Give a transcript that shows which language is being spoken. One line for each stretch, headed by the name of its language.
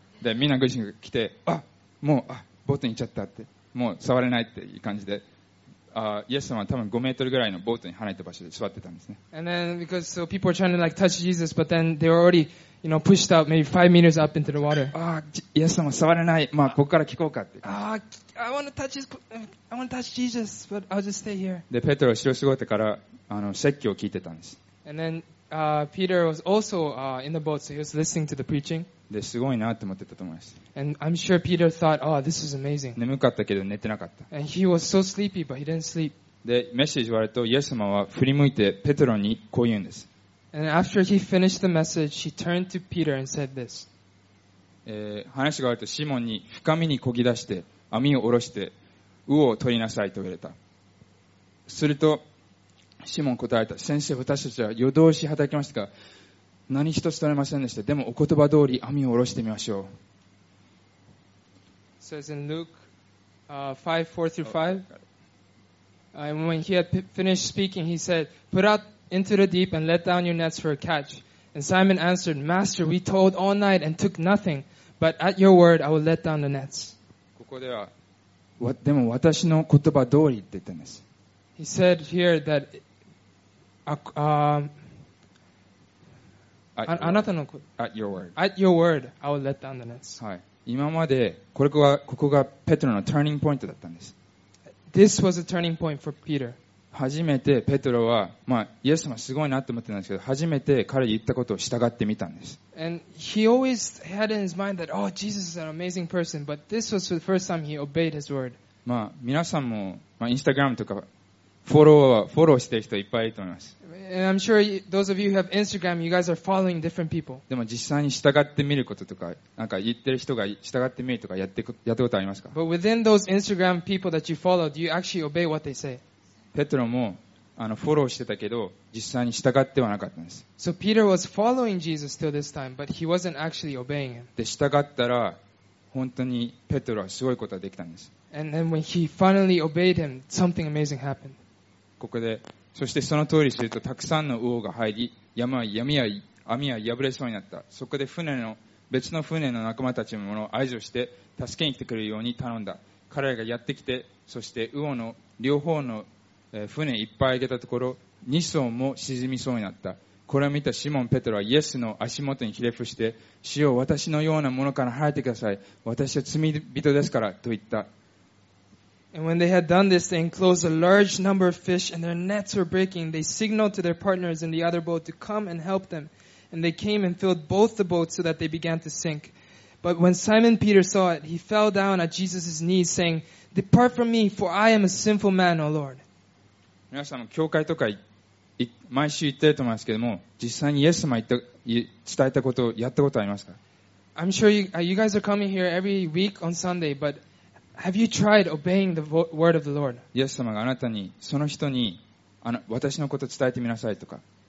Japanese: で、みんな群衆が来て、あ、もう、あ、ボートに行っちゃったって、もう触れないっていう感じで、イエス様は多分5メートルぐらいのボートに離れた場所で座ってたんですね。
English: And then, because, so people were trying to like touch Jesus, but then they were already,You know, pushed out maybe 5 meters up into the water.
Japanese: ああ、イエス様触れない。まあここから聞こうかって。ああ、
English: I want to touch Jesus, but I'll just stay here.
Japanese: で、ペトロ後ろ姿から説教を聞いてたんです。
English: And then Peter was also in the boat, so he was listening to the preaching.
Japanese: で、すごいなって思ってたと思います。
English: And I'm sure Peter thought, oh, this is amazing.
Japanese: 眠かったけど寝てなかった。
English: And he was so sleepy, but he didn't sleep.
Japanese: で、メッセージ終わると、イエス様は振り向いてペテロにこう言うんです。
English: And after he finished the message, he turned to Peter and said this.
Japanese: 話があると、シモンに深みに漕ぎ出して、網を下ろして、魚を取りなさいと言われた。すると、シモン答えた。先生、私たちは夜通し働きましたが、何一つ取れませんでした。でも、お言葉通り網を下ろしてみましょう。
English: It says in Luke 5:4-5. And when he had finished speaking, he said, Put out into the deep and let down your nets for a catch. And Simon answered, Master, we toiled all night and took nothing, but at your word I will let down the nets.
Japanese: ここでは、でも私の言葉通りって言ったんです。
English: He said here that At your word, I will let down the nets.
Japanese: はい。今まで、ここがペトロのターニングポイントだったんです。
English: This was a turning point for Peter.
Japanese: 初めてペトロは、まあ、イエス様すごいなと思ってたんですけど、初めて彼言ったことを従ってみたんです。
English: And he always had in his mind that, oh, Jesus is an amazing person, but this was the first time he obeyed his word.
Japanese: まあ、皆さんも、まあ、インスタグラムとか、フォローしてる人いっぱいいると思います。
English: And I'm sure those of you who have Instagram, you guys are following different people.
Japanese: でも実際に従ってみることとか、なんか言ってる人が従ってみるとかやったことありますか
English: ?But within those Instagram people that you follow, do you actually obey what they say?
Japanese: ペトロも、フォローしてたけど、実際に従ってはなかったんです。
English: So Peter was following Jesus till this time, but he wasn't actually obeying him.
Japanese: で、従ったら、本当にペトロはすごいことができたんです。
English: And then when he finally obeyed him, something amazing happened.
Japanese: ここで、そしてその通りすると、たくさんの魚が入り、網は破れそうになった。そこで別の船の仲間たちも合図をして、助けに来てくれるように頼んだ。彼らがやってきて、そして魚の両方の船いっぱいあげたところ、2艘も沈みそうになった。これを見たシモン・ペトロはイエスの足元にひれ伏して、主よ、私のようなものから離れてください。私は罪人ですから、と言った。
English: And when they had done this, they enclosed a large number of fish, and their nets were breaking. They signaled to their partners in the other boat to come and help them. And they came and filled both the boats so that they began to sink. But when Simon Peter saw it, he fell down at Jesus' knees, saying, Depart from me, for I am a sinful man, O Lord.
Japanese: 皆さんも教会とか毎週行ってると思いますけども、実際にイエス様伝えたことをやったことありますか?
English: I'm sure you guys are coming here every week on Sunday, butHave you tried obeying the word of the Lord?
Japanese: イエス様があなたに、その人に、私のことを伝えてみなさいとか。